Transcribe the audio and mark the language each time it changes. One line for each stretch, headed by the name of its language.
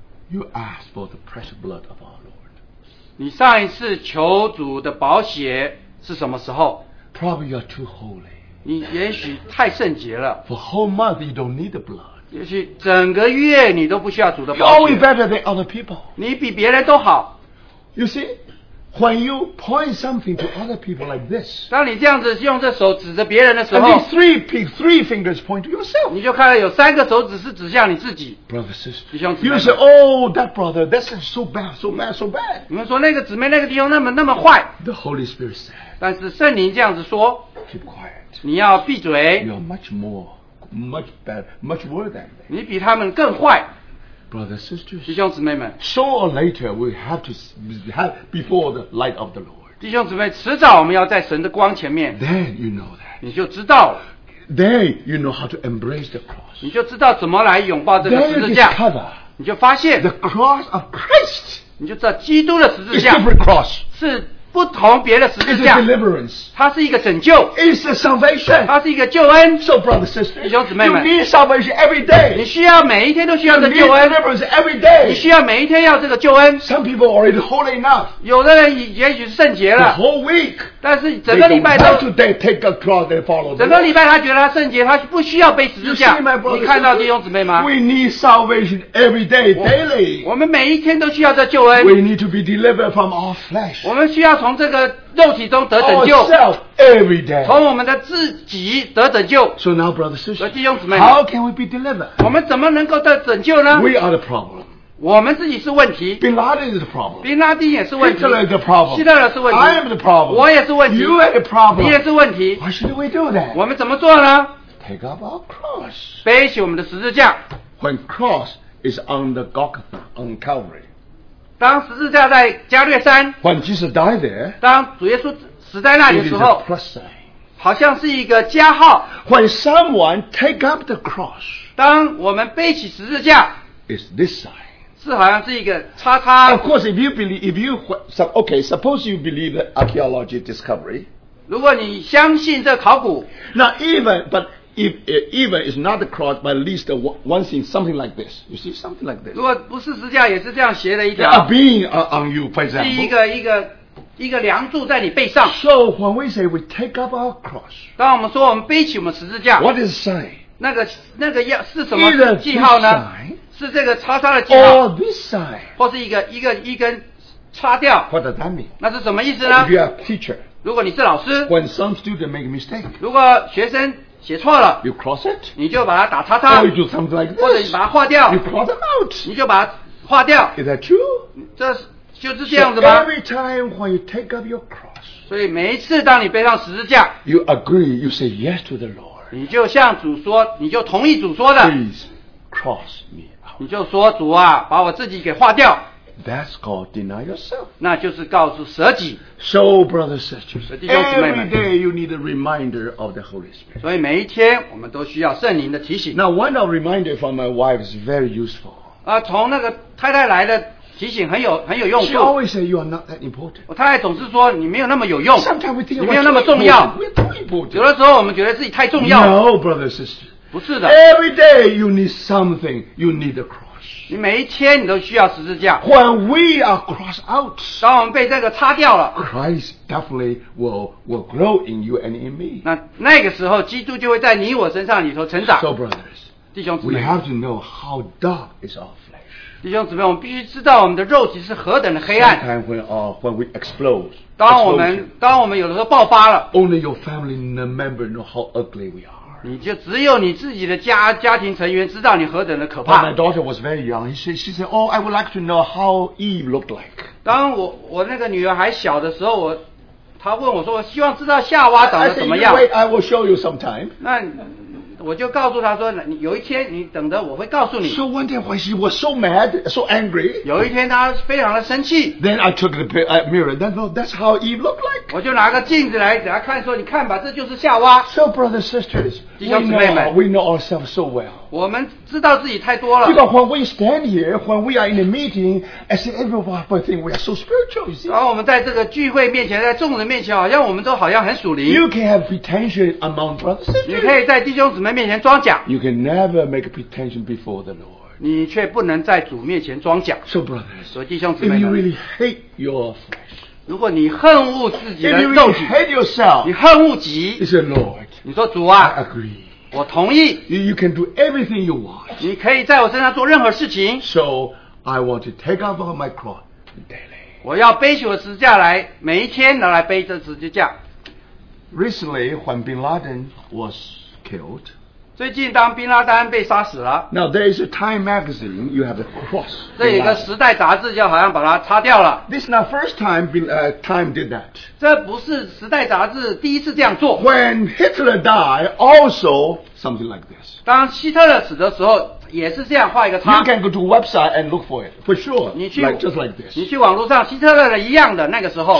English: You asked for the precious blood of our Lord
Chinese: 你上一次求主的宝血是什么时候
English: Probably you are too holy
Chinese: 你也许太圣洁了。
English: For whole month you don't need the blood.
Chinese: 也许整个月你都不需要主的宝血。
English: You're always better than other people.
Chinese: 你比别人都好。
English: You see, when you point something to other people like this,
Chinese: 当你这样子用这手指着别人的时候
English: ，and these three fingers point to yourself.
Chinese: 你就看到有三个手指是指向你自己。
English: Brother, sister,
Chinese: 弟兄姊妹
English: ，You say, oh, that brother, that's so bad, so bad, so bad.
Chinese: 你们说那个姊妹那个弟兄那么坏。
English: The Holy Spirit said.
Chinese: 但是圣灵这样子说
English: ，Keep quiet.
Chinese: 你要闭嘴
English: You are much more Much better Much worse than them
Chinese: 你比他们更坏
English: Brothers and sisters
Chinese: 弟兄姊妹们
English: Sooner or later We have to have Before the light of the Lord
Chinese: 弟兄姊妹迟早我们要在神的光前面
English: Then you know that
Chinese: 你就知道了
English: Then you know how to embrace the cross
Chinese: 你就知道怎么来拥抱这个十字架
English: Then you discover
Chinese: 你就发现
English: The cross of Christ
Chinese: 你就知道基督的十字架
English: It's a different cross
Chinese: 是不同别的十字架
English: It's a deliverance.
Chinese: 它是一个拯救
English: It's a salvation.
Chinese: 它是一个救恩
English: So brother, sister,
Chinese: 弟兄姊妹们
English: You need salvation every day.
Chinese: 你需要每一天都需要这救恩
English: You need deliverance every day.
Chinese: 你需要每一天要这个救恩
English: Some people are already holy enough.
Chinese: 有的人也许是圣洁了
English: The whole week.
Chinese: 但是整个礼拜都
English: They don't have to they take a cross and follow the
Chinese: 整个礼拜他觉得他圣洁他不需要背十字架
English: You see my brother, sister,
Chinese: 你看到弟兄姊妹吗
English: We need salvation every day, daily.
Chinese: 我们每一天都需要这救恩
English: We need to be delivered from our flesh.
Chinese: 我们需要从这个肉体中得拯救
English: every day.
Chinese: 从我们的自己得拯救
English: So now brothers and sisters
Chinese: 弟兄姊妹
English: How can we be delivered?
Chinese: 我们怎么能够得拯救呢
English: We are the problem
Chinese: 我们自己是问题,
English: Bin Laden is the problem.
Chinese: Bin Laden 也是问题,
English: Hitler is the problem.
Chinese: 希特勒是问题,
English: I am the problem.
Chinese: 我也是问题,
English: you are the problem.
Chinese: 你也是问题,
English: why should we do that?
Chinese: 我们怎么做呢?
English: Take up our cross.
Chinese: 背起我们的十字架,
English: when cross is on the Golgotha, on Calvary.
Chinese: 当十字架在加略山,
English: when Jesus died there,
Chinese: 当主耶稣死在那里的时候,
English: it is a plus sign.
Chinese: 好像是一个加号,
English: when someone take up the cross,
Chinese: 当我们背起十字架,
English: it's this sign.
Chinese: 是好像是一个叉叉,
English: of course, if you believe, if you, okay, suppose you believe the archaeology discovery.
Chinese: 如果你相信这考古,
English: now even, but if even is not the cross, but at least the one thing, something like this. You see, something like this.
Chinese: 如果不是十字架, 也是这样斜的一条,
English: a being on you, for example.
Chinese: 是一个梁柱在你背上,
English: so when we say we take up our cross,
Chinese: 当我们说我们背起我们十字架,
English: what is the sign?
Chinese: 那个是什么记号呢?是这个叉叉的记号,
English: or this sign,
Chinese: 或是一根叉掉,
English: what does that mean?
Chinese: 那是什么意思呢?
English: If you are a teacher,
Chinese: 如果你是老师,
English: when some student make a mistake,
Chinese: 如果学生写错了,
English: you cross it,
Chinese: 你就把它打叉叉,
English: or you do something like this,
Chinese: 或者你把它划掉,
English: you cross them out,
Chinese: 你就把它划掉,
English: is that true?
Chinese: 这就是这样子吧?
English: So every time when you take up your cross,
Chinese: 所以每一次当你背上十字架,
English: you agree, you say yes to the Lord,
Chinese: 你就向主说, 你就同意主说的,
English: please cross me.
Chinese: 你就说主啊, 把我自己给划掉,
English: that's called deny yourself.
Chinese: 那就是告诉舍己,
English: so brothers and sisters,
Chinese: 舍己兄弟妹们,
English: every day you need a reminder of the Holy Spirit.
Chinese: 所以每一天我们都需要圣灵的提醒。
English: Now one of the reminders from my wife is very useful.
Chinese: 从那个太太来的提醒很有用,
English: she always say you are not that important.
Chinese: 太太总是说你没有那么有用,
English: sometimes we think
Chinese: 你没有那么重要,
English: we're too important.
Chinese: 有的时候我们觉得自己太重要,
English: no brothers and sisters,
Chinese: 不是的,
English: every day you need something, you need a cross.
Chinese: 你每一天你都需要十字架,
English: when we are crossed out,
Chinese: 当我们被这个擦掉了,
English: Christ definitely will grow in you and in me.
Chinese: 那个时候基督就会在你我身上里头成长。
English: So brothers,
Chinese: 弟兄姊妹,
English: we have to know how dark is our flesh.
Chinese: 弟兄姊妹, 我们必须知道我们的肉体是何等的黑暗。
English: Sometimes when we explode,
Chinese: 当我们有的时候爆发了,
English: only your family member know how ugly we are.
Chinese: 你就只有你自己的家庭成员知道你何等的可怕。
English: My daughter was very young. She said, oh, I would like to know how Eve looked like.
Chinese: 当我那个女儿还小的时候, 她问我说我希望知道夏娃长得怎么样。
English: I said, wait, I will show you sometime.
Chinese: 那我就告诉她说, 有一天你等着我会告诉你。
English: So one day when she was so mad, so angry,
Chinese: 有一天她非常的生气。
English: Then I took the mirror. Then that's how Eve looked like.
Chinese: 我就拿个镜子来给她看说, 你看吧, 这就是夏娃。
English: So brothers and sisters, we know ourselves so well.
Chinese: 我们知道自己太多了。
English: Because when we stand here, when we are in a meeting, I see everyone but think we are so spiritual, you see.
Chinese: 然后我们在这个聚会面前, 在众人面前, 好像我们都好像很属灵。
English: You can have pretension among brothers and sisters.
Chinese: 你可以在弟兄姊妹面前装假。
English: You can never make a pretension before the Lord.
Chinese: 你却不能在主面前装假。
English: So brothers,
Chinese: 所以弟兄姊妹们,
English: if you really hate your flesh,
Chinese: 如果你恨恶自己的肉体,
English: if you hate yourself,
Chinese: 你恨恶己,
English: you say, Lord,
Chinese: 你说主啊,
English: I agree.
Chinese: 我同意,
English: you can do everything you want.
Chinese: 你可以在我身上做任何事情,
English: so I want to take up my cross daily.
Chinese: 我要背起我的十字架来, 每一天来背着十字架。
English: Recently, when Bin Laden was killed,
Chinese: 最近当宾拉丹被杀死了,
English: now there is a Time magazine, you have a cross.
Chinese: 这一个时代杂志就好像把它擦掉了。
English: This is not first time Time did that.
Chinese: 这不是时代杂志第一次这样做。
English: When Hitler died, also something like this.
Chinese: 当希特勒死的时候, 也是这样画一个叉。
English: You can go to website and look for it, for sure,
Chinese: 你去,
English: like, just like this.
Chinese: 你去网络上, 希特勒的一样的, 那个时候,